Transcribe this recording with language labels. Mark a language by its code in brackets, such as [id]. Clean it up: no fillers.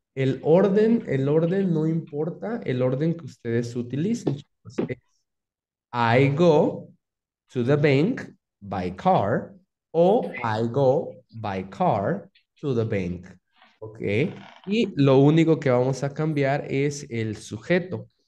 [es] El orden no importa el orden que ustedes utilicen. [en] I go to the bank by car o I go by car to the bank. Okay. [es] Y lo único que vamos a cambiar es el sujeto.